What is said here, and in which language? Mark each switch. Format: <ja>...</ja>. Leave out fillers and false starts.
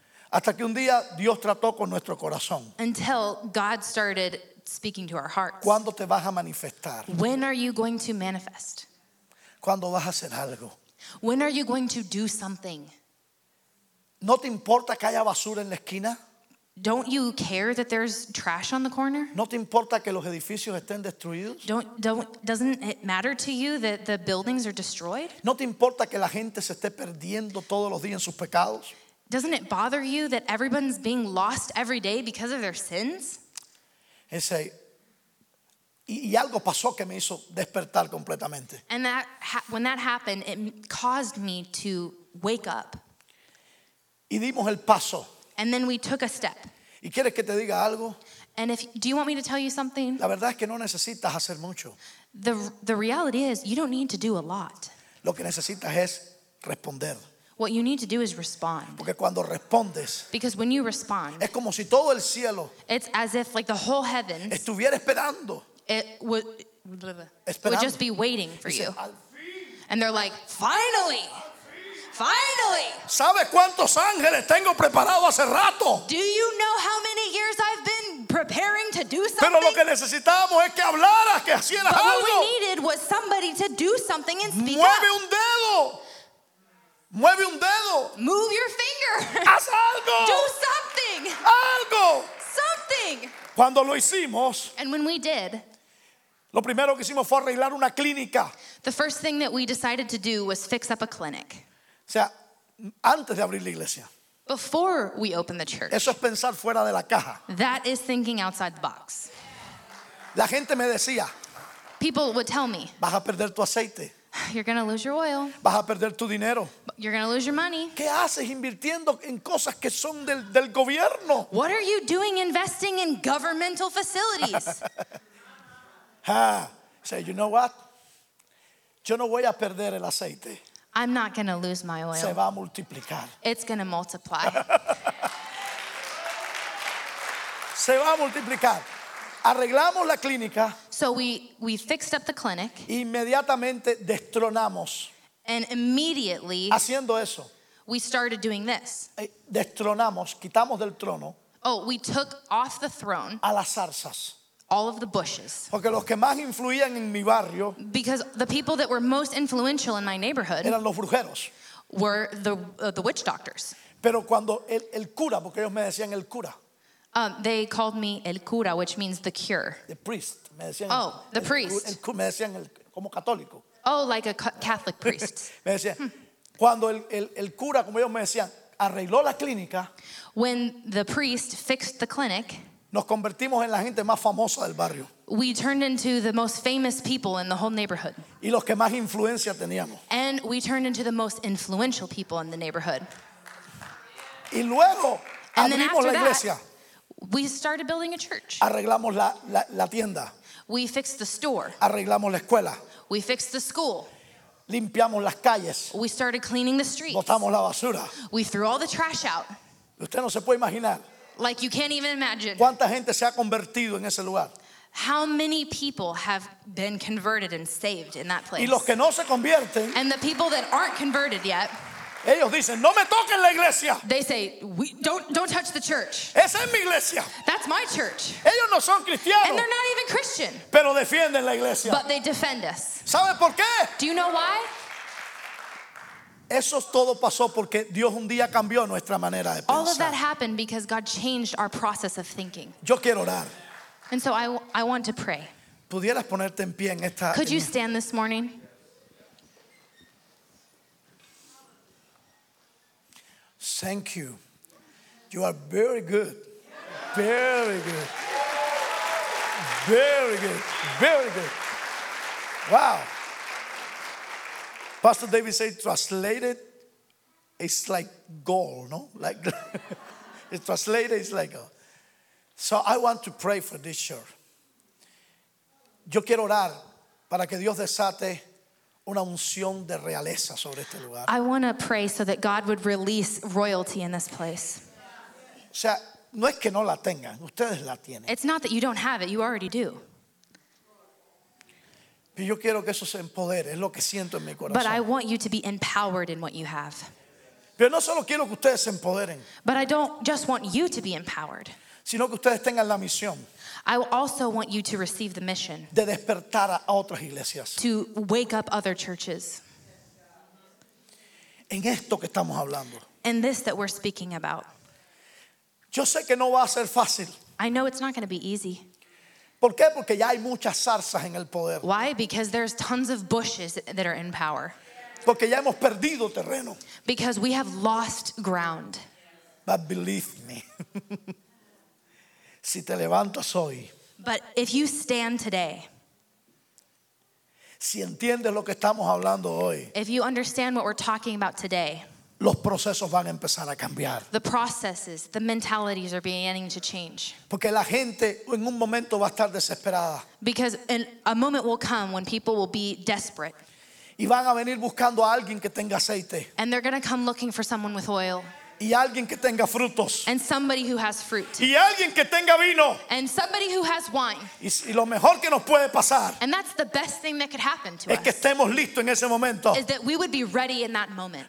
<es>Hasta que un día Dios trató con nuestro corazón.</es> <en>Until God started speaking to our hearts.</en> <es>¿Cuándo te vas a manifestar?</es> <en>When are you going to manifest?</en> <es>¿Cuándo vas a hacer algo?</es> <en>When are you going to do something?</en> <es>¿No te importa que haya basura en la esquina?</es> <en>Don't you care that there's trash on the corner?</en> <es>¿No te importa que los edificios estén destruidos?</es> <en>Doesn't it matter to you that the buildings are destroyed?</en> <es>¿No te importa que la gente se esté perdiendo todos los días en sus pecados?</es> <en>Doesn't it bother you that everyone's being lost every day because of their sins?</en> <es>Y algo pasó que me hizo despertar completamente.</es> <en>And that when that happened, it caused me to wake up.</en> <es>Y dimos el paso.</es> <en>And then we took a step.</en> <es>¿Y quieres que te diga algo?</es> <en>And if do you want me to tell you something?</en> <es>La verdad es que no necesitas hacer mucho.</es> <en>The reality is you don't need to do a lot.</en> <es>Lo que necesitas es responder.</es> <en>What you need to do is respond.</en> <es>Porque cuando respondes,</es> <en>because when you respond,</en> <es>es como si todo el cielo,</es> <en>it's as if like the whole heavens</en> <es>estuviera esperando,</es> <en>it would just be waiting for you. And they're like, finally. Finally.</en> <es>¿Sabes cuántos ángeles tengo preparado hace rato?</es> <en>Do you know how many years I've been preparing to do something?</en> <es>Pero lo que necesitábamos es que hablaras, que hicieras algo.</es> <en>What we needed was somebody to do something and speak.</en> <es>Mueve</es> <en>up.</en> <es>Un dedo. Mueve un dedo.</es> <en>Move your finger.</en> <es>Haz algo.</es> <en>Do something.</en> <es>Algo.</es> <en>Something.</en> <es>Cuando lo hicimos.</es> <en>And when we did.</en> <es>Lo primero que hicimos fue arreglar una clínica.</es> <en>The first thing that we decided to do was fix up a clinic.</en> <es>O sea, antes de abrir la iglesia.</es> <en>Before we open the church.</en> <es>Eso es pensar fuera de la caja.</es> <en>That is thinking outside the box.</en> <es>La gente me decía.</es> <en>People would tell me.</en> <es>Vas a perder tu aceite.</es> <en>You're going to lose your oil.</en> <es>Vas a perder tu dinero.</es> <en>You're going to lose your money.</en> <es>¿Qué haces invirtiendo en cosas que son del gobierno?</es> <en>What are you doing investing in governmental facilities? Say, you know what?</en> <es>Yo no voy a perder el aceite.</es> <en>I'm not going to lose my oil.</en> <es>Se va a multiplicar.</es> <en>It's going to multiply.</en> <es>Se va a multiplicar. Arreglamos la clínica.</es> <en>So we fixed up the clinic.</en> <es>Inmediatamente destronamos.</es> <en>And immediately.</en> <es>Haciendo eso.</es> <en>We started doing this.</en> <es>Destronamos, quitamos del trono.</es> <en>Oh, we took off the throne.</en> <es>A las zarzas.</es> <en>All of the bushes.</en> <es>Porque los que más influían en mi barrio,</es> <en>because the people that were most influential in my neighborhood,</en> <es>eran los brujeros,</es> <en>were the witch doctors.</en> <es>Pero cuando el cura, porque ellos me decían el cura.</es> <en>They called me el cura, which means the cure. The priest.</en> <es>Me decían,</es> <en>oh, the priest.</en> <es>Me decían como católico.</es> <en>Oh, like a Catholic priest.</en> <es>Me decían, cuando el cura, como ellos me decían, arregló la clínica,</es> <en>when the priest fixed the clinic,</en> <es>nos convertimos en la gente más famosa del barrio.</es> <en>We turned into the most famous people in the whole neighborhood.</en> <es>Y los que más influencia teníamos.</es> <en>And we turned into the most influential people in the neighborhood.</en> <es>Y luego abrimos la iglesia.</es> <en>We started building a church.</en> <es>Arreglamos la tienda.</es> <en>We fixed the store.</en> <es>Arreglamos la escuela.</es> <en>We fixed the school.</en> <es>Limpiamos las calles.</es> <en>We started cleaning the streets.</en> <es>Botamos la basura.</es> <en>We threw all the trash out.</en> <es>Usted no se puede imaginar.</es> <en>Like you can't even imagine.</en> <es>¿Cuánta gente se ha convertido en ese lugar?</es> <en>How many people have been converted and saved in that place?</en> <es>Y los que no se convierten,</es> <en>and the people that aren't converted yet,</en> <es>ellos dicen, no me toquen la iglesia.</es> <en>They say, don't touch the church.</en> <es>Esa es mi iglesia.</es> <en>That's my church.</en> <es>Ellos no son cristianos.</es> <en>And they're not even Christian.</en> <es>Pero defienden la iglesia.</es> <en>But they defend us.</en> <es>¿Sabe por qué?</es> <en>Do you know why?</en> <es>Eso todo pasó porque Dios un día cambió nuestra manera de pensar.</es> <en>All of that happened because God changed our process of thinking.</en> <es>Yo quiero orar.</es> <en>And so I want to pray.</en> <es>¿Pudieras ponerte en pie en esta?</es> <en>Could you stand this morning? Thank you. You are very good. Very good. Very good. Very good. Wow. Pastor David said, translated, it's like gold, no? Like, it's translated, it's like gold. So I want to pray for this church.</en> <es>Yo quiero orar para que Dios desate una unción de realeza sobre este lugar.</es> <en>I want to pray so that God would release royalty in this place.</en> <es>O sea, no es que no la tengan, ustedes la tienen.</es> <en>It's not that you don't have it, you already do.</en> <es>Y yo quiero que eso se empodere, es lo que siento en mi corazón.</es> <en>But I want you to be empowered in what you have.</en> <es>Pero no solo quiero que ustedes se empoderen.</es> <en>But I don't just want you to be empowered.</en> <es>Sino que ustedes tengan la misión.</es> <en>I also want you to receive the mission.</en> <es>De despertar a otras iglesias.</es> <en>To wake up other churches.</en> <es>En esto que estamos hablando.</es> <en>In this that we're speaking about.</en> <es>Yo sé que no va a ser fácil.</es> <en>I know it's not going to be easy.</en> <es>¿Por qué? Porque ya hay muchas zarzas en el poder.</es> <en>Why? Because there's tons of bushes that are in power.</en> <es>Porque ya hemos perdido terreno.</es> <en>Because we have lost ground. But believe me.</en> <es>Si te levantas hoy.</es> <en>But if you stand today.</en> <es>Si entiendes lo que estamos hablando hoy.</es> <en>If you understand what we're talking about today.</en> <es>Los procesos van a empezar a cambiar.</es> <en>The processes, the mentalities are beginning to change.</en> <es>Porque la gente en un momento va a estar desesperada.</es> <en>Because in a moment will come when people will be desperate.</en> <es>Y van a venir buscando a alguien que tenga aceite.</es> <en>And they're going to come looking for someone with oil.</en> <es>Y alguien que tenga frutos.</es> <en>And somebody who has fruit.</en> <es>Y alguien que tenga vino.</es> <en>And somebody who has wine.</en> <es>Y lo mejor que nos puede pasar.</es> <en>And that's the best thing that could happen to</en> <es>es</es> <en>us.</en> <es>Que estemos listos en ese momento.</es> <en>Is that we would be ready in that moment.</en>